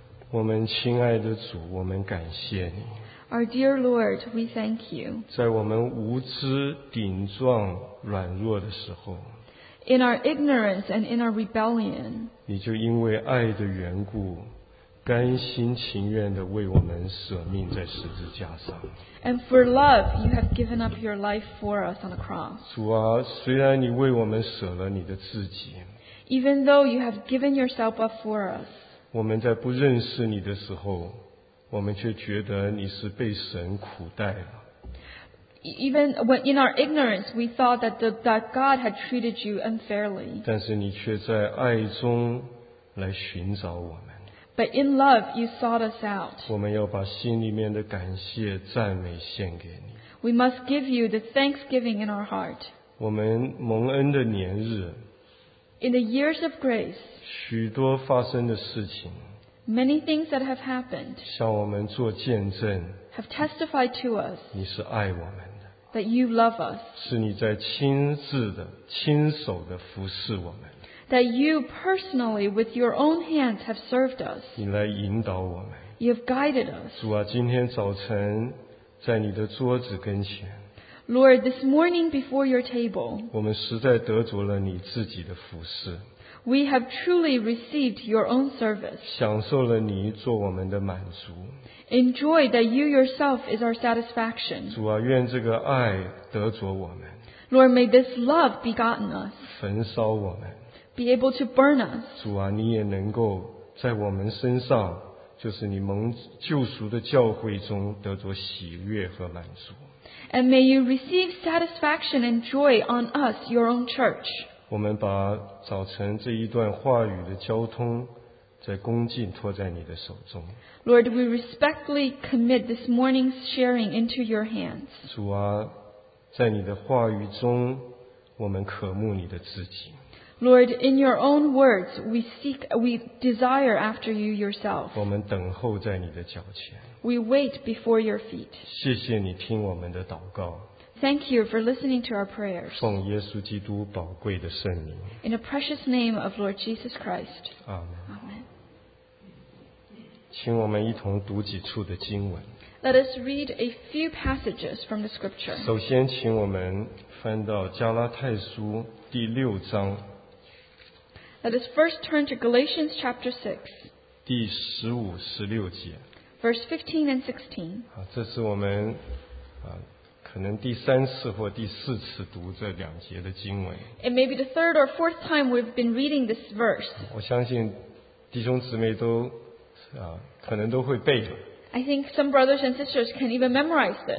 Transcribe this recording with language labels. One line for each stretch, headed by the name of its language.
Chinese: 我们亲爱的主，我们感谢你。
English: Our dear Lord, we thank you.
Chinese: 在我们无知、顶撞、软弱的时候，
English: In our ignorance and in our rebellion,
Chinese: 你就因为爱的缘故，甘心情愿地为我们舍命在十字架上。
English: And for love, you have given up your life for us on the cross.
Chinese: 主啊，虽然你为我们舍了你的自己，
English: Even though you have given yourself up for us,
Chinese: 我们在不认识你的时候，我们却觉得你是被神苦待了。
English: Even when in our ignorance, we thought that that God had treated you unfairly.
Chinese: 但是你却在爱中来寻找我们。
English: But in love, you sought us out.
Chinese: 我们要把心里面的感谢赞美献给你。
English: We must give you the thanksgiving in our heart.
Chinese: 我们蒙恩的年日。
English: In the years of grace,
Chinese: 许多发生的事情，
English: many things that have happened,
Chinese: 向我们做见证，
English: have testified to us,
Chinese: 你是爱我们的，
English: that you love us,
Chinese: 是你在亲自的、亲手的服侍我们，
English: that you personally with your own hands have served us,
Chinese: 你来引导我们，
English: you have guided us.
Chinese: 主啊，今天早晨在你的桌子跟前，
English: Lord, this morning before your table,
Chinese: 我们实在得着了你自己的服侍。
English: We have truly received your own service.
Chinese: 享受了你做我们的满足。
English: Enjoy that you yourself is our satisfaction.
Chinese: 主啊，愿这个爱得着我们。
English: Lord, may this love be gotten us.
Chinese: 焚烧我们。
English: Be able to burn us.
Chinese: 主啊，你也能够在我们身上，就是你蒙救赎的教会中得着喜悦和满足。
English: And may you receive satisfaction and joy on us, your own church.
Chinese: 我们把早晨这一段话语的交通，在恭敬托在你的手中。
English: Lord, we respectfully commit this morning's sharing into your hands.
Chinese: 主啊，在你的话语中，我们渴慕你的自己。
English: Lord, in your own words, we desire after you yourself.
Chinese: 我们等候在你的脚前。
English: We wait before your feet.
Chinese: 谢谢你听我们的祷告。
English: Thank you for listening to our prayers.
Chinese: 奉耶稣基督宝贵的圣名。
English: In the precious name of Lord Jesus Christ. Amen.
Chinese: 请我们一同读几处的经文。
English: Let us read a few passages from the scripture.
Chinese: 首先请我们翻到加拉太书第六章。
English: Let us first turn to Galatians chapter 6.
Chinese: 第十五、十六节。
English: Verse 15 and 16.
Chinese: 这是我们可能第三次或第四次读这两节的经文。
English: It may be the third or fourth time we've been reading this verse.
Chinese: 我相信弟兄姊妹都可能都会背的。
English: I think some brothers and sisters can even memorize this.